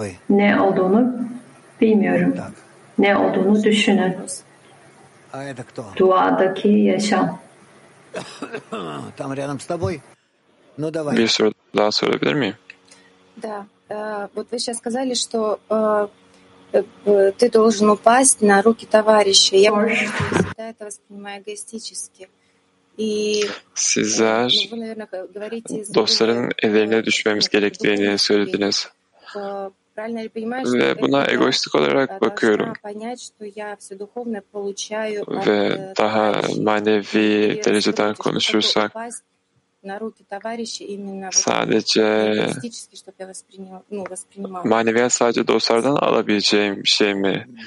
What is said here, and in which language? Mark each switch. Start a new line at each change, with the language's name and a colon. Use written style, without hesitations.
Turkish: Ne olduğunu bilmiyorum. Ne olduğunu düşünün. Duadaki yaşam.
Russian: Там рядом с тобой. Ну давай.
Turkish: Bir soru daha sorabilir miyim?
Russian: Да. Вот вы сейчас сказали, что ты должен упасть на руки товарища. Я всегда это воспринимаю эгоистически.
Turkish: Sizler dostların ellerine düşmemiz gerektiğini söylediniz. Ve buna egoistik olarak bakıyorum. Ve daha manevi dereceden konuşursak sadece maneviyat sadece dostlardan alabileceğim şey mi?